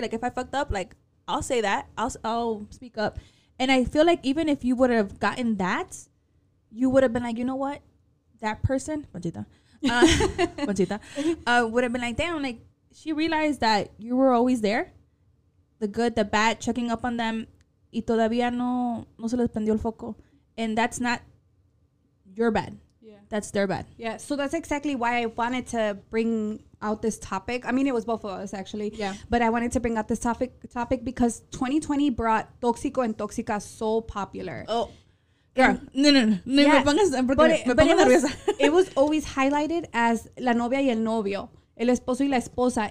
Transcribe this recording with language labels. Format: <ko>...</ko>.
<en>Like, if I fucked up, like, I'll say that. I'll speak up. And I feel like even if you would have gotten that, you would have been like, you know what? That person, Panchita, would have been like, damn, like, she realized that you were always there. The good, the bad, checking up on them.</en> <es>Y todavía no se les prendió el foco.</es> <en>And that's not your bad. Yeah. That's their bad. Yeah. So that's exactly why I wanted to bring out this topic. I mean, it was both of us, actually. Yeah. But I wanted to bring out this topic because 2020 brought Tóxico and Tóxica so popular. Oh. Girl. No. Yeah. It was always highlighted as</en> <es>la novia y el novio, el esposo y la esposa.</es>